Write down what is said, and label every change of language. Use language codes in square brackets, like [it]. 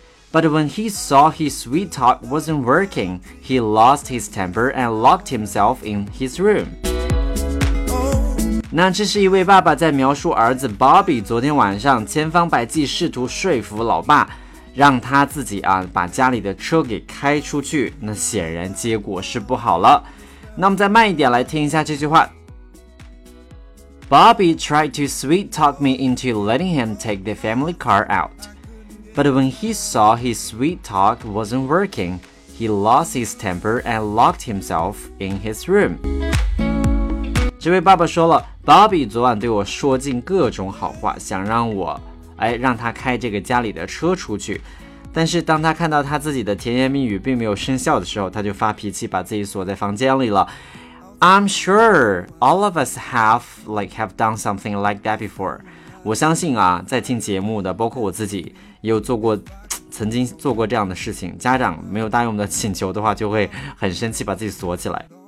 [en] But when he saw his sweet talk wasn't working, he lost his temper and locked himself in his room. [zh] 那这是一位爸爸在描述儿子 Bobby 昨天晚上千方百计试图说服老爸让他自己啊把家里的车给开出去，那显然结果是不好了。那我们再慢一点来听一下这句话。 [en] Bobby tried to sweet talk me into letting him take the family car out. But when he saw his sweet talk wasn't working, he lost his temper and locked himself in his room. [zh] 这位爸爸说了，Bobby 昨晚对我说尽各种好话，想让我，哎，让他开这个家里的车出去。但是当他看到他自己的甜言蜜语并没有生效的时候，他就发脾气，把自己锁在房间里了。 [en] I'm sure all of us have done something like that before. [zh] 我相信啊，在听节目的，包括我自己，也有做过，曾经做过这样的事情。家长没有答应我们的请求的话，就会很生气，把自己锁起来。